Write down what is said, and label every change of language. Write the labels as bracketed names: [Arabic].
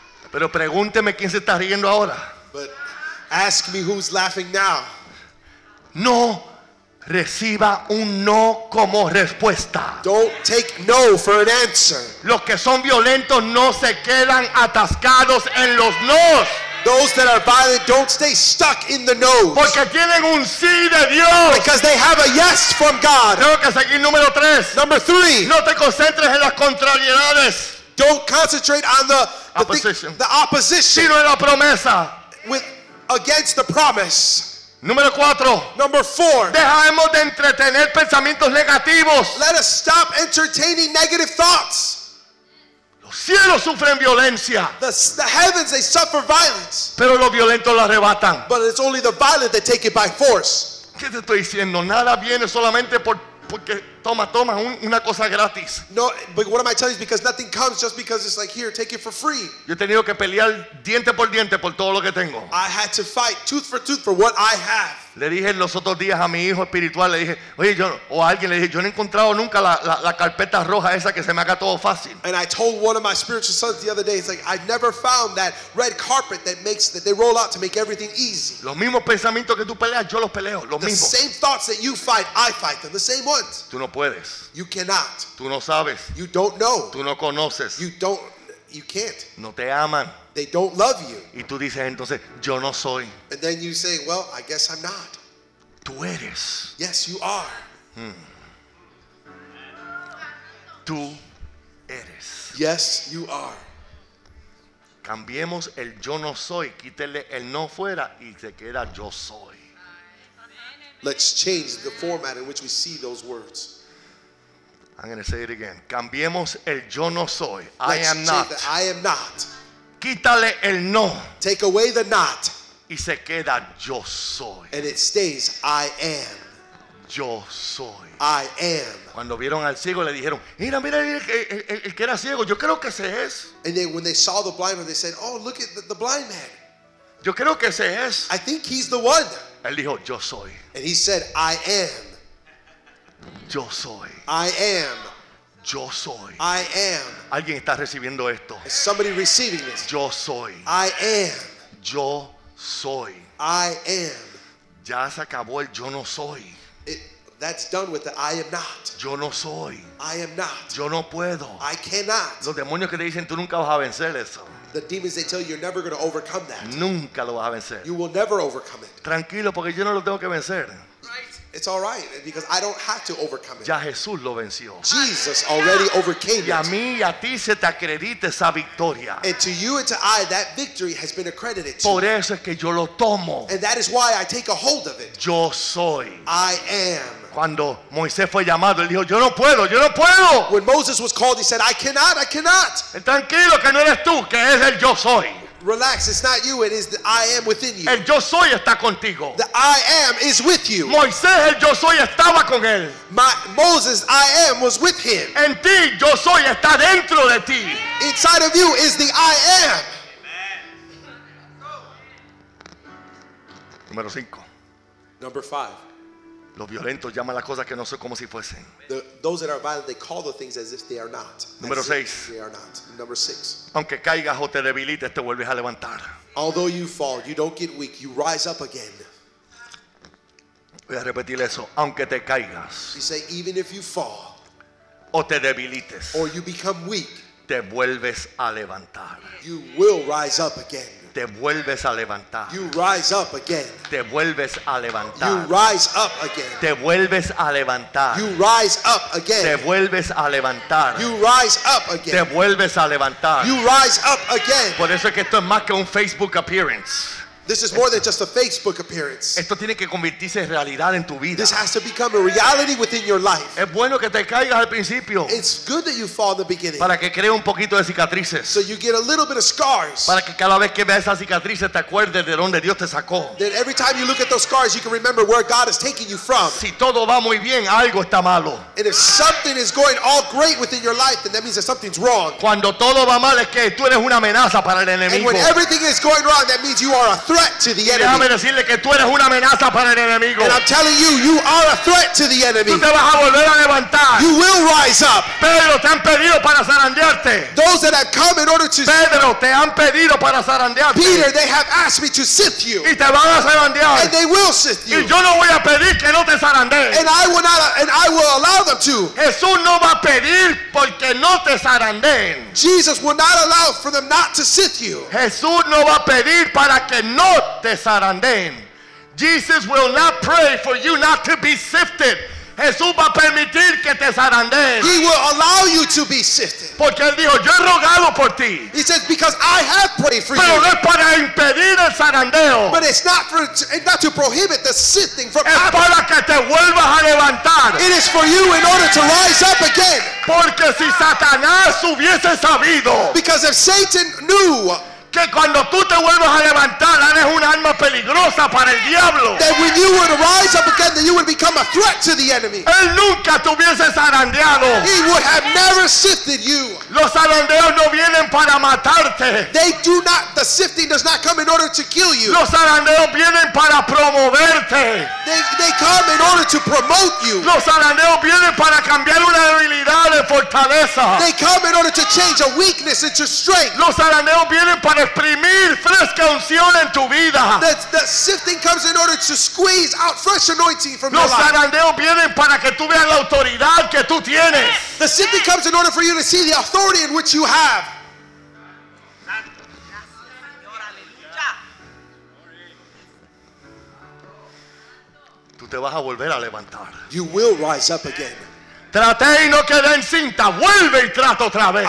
[Spanish] Pero pregúnteme quién se está riendo ahora. [English] But ask me who's laughing now. [Spanish] No reciba un no como respuesta. [English] Don't take no for an answer. [Spanish] Los que son violentos no se quedan atascados en los nos. [English] Those that are violent don't stay stuck in the nos. [Spanish] Porque tienen un sí de Dios. [English] Because they have a yes from God. [Spanish] Tengo que seguir número 3. [English] Number 3. [Spanish] No te concentres en las contrariedades. [English] Don't concentrate on the opposition. [Spanish] Sino en la promesa. [English] Against the promise. [Spanish] Número 4. [English] Number 4. [Spanish] Dejemos de entretener pensamientos negativos. [English] Let us stop entertaining negative thoughts. [Spanish] Los cielos sufren violencia. [English] The heavens, they suffer violence. [Spanish] Pero los violentos lo arrebatan. [English] But it's only the violent that take it by force. [Spanish] ¿Qué te estoy diciendo? Nada viene solamente porque toma una cosa gratis. [English] No, but what am I telling you? Because nothing comes just because it's like, here, take it for free. [Spanish] Yo he tenido que pelear diente por diente por todo lo que tengo. [English] I had to fight tooth for tooth for what I have. [Spanish] Le dije los otros días a mi hijo espiritual, le dije, oye, yo, o a alguien, le dije, yo no he encontrado nunca la carpeta roja esa que se me haga todo fácil. [English] And I told one of my spiritual sons the other day, it's like, I've never found that red carpet that they roll out to make everything easy. [Spanish] Los mismos pensamientos que tú peleas, yo los peleo, los mismos. [English] The same thoughts that you fight, I fight them, the same ones. [Spanish] Tú no puedes. [English] You cannot. [Spanish] Tú no sabes. [English] You don't know. [Spanish] Tú no conoces. [English] You can't. [Spanish] No te aman. [English] They don't love you. [Spanish] Y tú dices entonces, yo no soy. [English] And then you say, well, I guess I'm not. [Spanish] Tú eres. [English] Yes, you are. Hmm. [Spanish] Tú eres. [English] Yes, you are. [Spanish] Cambiemos el yo no soy, quítele el no fuera y se queda yo soy. [English] Let's change the format in which we see those words. I'm going to say it again. [Spanish] Cambiemos el yo no soy. [English] Let's I am not. That I am not. [Spanish] Quítale el no. [English] Take away the not. [Spanish] Y se queda yo soy. [English] And it stays I am. [Spanish] Yo soy. [English] I am. [Spanish] Cuando vieron al ciego le dijeron, mira el que era ciego, yo creo que ese es. [English] And then when they saw the blind man, they said, oh, look at the blind man. [Spanish] Yo creo que ese es. [English] I think he's the one. [Spanish] Él dijo, yo soy. [English] And he said, I am. [Spanish] Yo soy. [English] I am. [Spanish] Yo soy. [English] I am. [Spanish] Alguien está recibiendo esto. [English] Is somebody receiving this? [Spanish] Yo soy. [English] I am. [Spanish] Yo soy. [English] I am. [Spanish] Ya se acabó el yo no soy. [English] That's done with the I am not. [Spanish] Yo no soy. [English] I am not. [Spanish] Yo no puedo. [English] I cannot. [Spanish] Los demonios que te dicen tú nunca vas a vencer eso. [English] The demons, they tell you you're never going to overcome that. [Spanish] Nunca lo vas a vencer. [English] You will never overcome it. [Spanish] Tranquilo, porque yo no lo tengo que vencer. [English] It's all right because I don't have to overcome it. [Spanish] Ya Jesús lo venció. [English] Jesus already overcame it. [Spanish] Y a mí y a ti se te acredita esa victoria. [English] And to you and to I, that victory has been accredited to. [Spanish] Por eso es que yo lo tomo. [English] And that is why I take a hold of it. [Spanish] Yo soy. [English] I am. [Spanish] Cuando Moisés fue llamado, él dijo, yo no puedo, yo no puedo. [English] When Moses was called, he said, I cannot, I cannot. [Spanish] Tranquilo, que no eres tú, que es el yo soy. [English] Relax, it's not you, it is the I am within you. [Spanish] El yo soy está contigo. [English] The I am is with you. [Spanish] Moisés, el yo soy estaba con él. [English] Moses, I am was with him. [Spanish] En ti, yo soy está dentro de ti. [English] Inside of you is the I am. [Spanish] Número 5. [English] Number 5. [Spanish] Los violentos llaman las cosas que no son como si fuesen. [English] Those that are violent, they call the things as if they are not. [Spanish] Número 6. [English] They are not. Number 6. [Spanish] Aunque caigas o te debilites, te vuelves a levantar. [English] Although you fall, you don't get weak, you rise up again. [Spanish] Voy a repetir eso. Aunque te caigas. [English] You say, even if you fall. [Spanish] O te debilites. [English] Or you become weak. [Spanish] Te vuelves a levantar. [English] You will rise up again. [Spanish] Te vuelves a levantar. [English] You rise up again. [Spanish] Te vuelves a levantar. [English] You rise up again. [Spanish] Te vuelves a levantar. [English] You rise up again. [Spanish] Te vuelves a levantar. [English] You rise up again. [Spanish] Te vuelves a levantar. [English] You rise up again. [Spanish] Por eso es que esto es más que un [English] Facebook appearance. This is more than just a Facebook appearance. [Spanish] Esto tiene que convertirse en realidad en tu vida. [English] This has to become a reality within your life. [Spanish] Es bueno que te caigas al principio. [English] It's good that you fall in the beginning. [Spanish] Para que crees un poquito de cicatrices. [English] So you get a little bit of scars. [Spanish] Para que cada vez que veas esas cicatrices te acuerdes de dónde Dios te sacó. [English] That every time you look at those scars, you can remember where God is taking you from. [Spanish] Si todo va muy bien, algo está malo. [English] And if something is going all great within your life, then that means that something's wrong. [Spanish] Cuando todo va mal es que tú eres una amenaza para el enemigo. [English] And when everything is going wrong, that means you are a threat. [Spanish] Déjame decirle que tú eres una amenaza para el enemigo. [English] And I'm telling you, you are a threat to the enemy. [Spanish] Tú te vas a volver a levantar. [English] You will rise up. [Spanish] Pedro, te han pedido para zarandearte. [English] Those that have come in order to [Spanish] Pedro, te han pedido para zarandearte. [English] Peter, they have asked me to sift you. [Spanish] Y te van a zarandear. [English] And they will sift you. [Spanish] Y yo no voy a pedir que no te zarandees. [English] And I will not. And I will allow them to. [Spanish] Jesús no va a pedir porque no te zarandeen. [English] Jesus will not allow for them not to sift you. [Spanish] Jesús no va a pedir para que no te zarandeen. [English] Jesus will not pray for you not to be sifted. [Spanish] Jesús va a permitir que te zarandeen. [English] He will allow you to be sifted. [Spanish] Porque él dijo, yo he rogado por ti. [English] He says, because I have prayed for [Spanish] pero [English] you. [Spanish] Pero no es para impedir el zarandeo. [English] But it's not for not to prohibit the sifting from happening. [Spanish] Es para que te vuelvas a levantar. [English] It is for you in order to rise up again. [Spanish] Porque si Satanás hubiese sabido. [English] Because if Satan knew. [Spanish] Que cuando tú te vuelvas a levantar, eres un arma peligrosa para el diablo. [English] That when you would rise up again, that you would become a threat to the enemy. [Spanish] Él nunca te hubiese zarandeado. [English] He would have never sifted you. [Spanish] Los zarandeos no vienen para matarte. [English] They do not. The sifting does not come in order to kill you. [Spanish] Los zarandeos vienen para promoverte. [English] They come in order to promote you. [Spanish] Los zarandeos vienen para cambiar una debilidad en fortaleza. [English] They come in order to change a weakness into strength. [Spanish] Los zarandeos vienen para exprimir fresca unción en tu vida. [English] The sifting comes in order to squeeze out fresh anointing from your life. [Spanish] Los zarandeos vienen para que tú veas la autoridad que tú tienes. [English] The sifting comes in order for you to see the authority in which you have. [Spanish] Tú te vas a volver a levantar. [English] You will rise up again. [Spanish] Traté y no quedé encinta. Vuelve y trato otra vez.